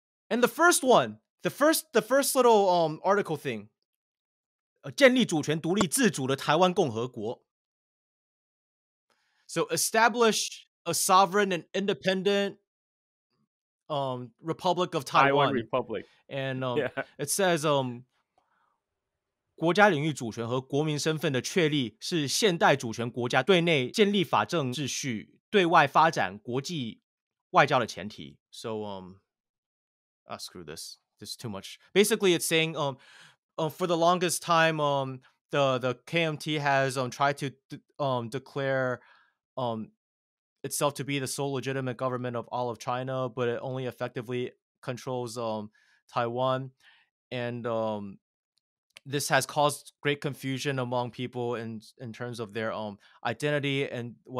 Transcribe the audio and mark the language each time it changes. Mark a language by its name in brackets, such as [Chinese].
[English] And the first one, the first little article thing. [Chinese] 建立主权独立自主的台湾共和国. [English] So establish a sovereign and independent Republic of Taiwan. Taiwan Republic. And it says [Chinese] 国家领域主权和国民身份的确立是现代主权国家对内建立法政秩序对外发展国际外交的前提. [English] So screw this. This is too much. Basically it's saying for the longest time the KMT has tried to declare itself to be the sole legitimate government of all of China, but it only effectively controls Taiwan, and this has caused great confusion among people in terms of their identity and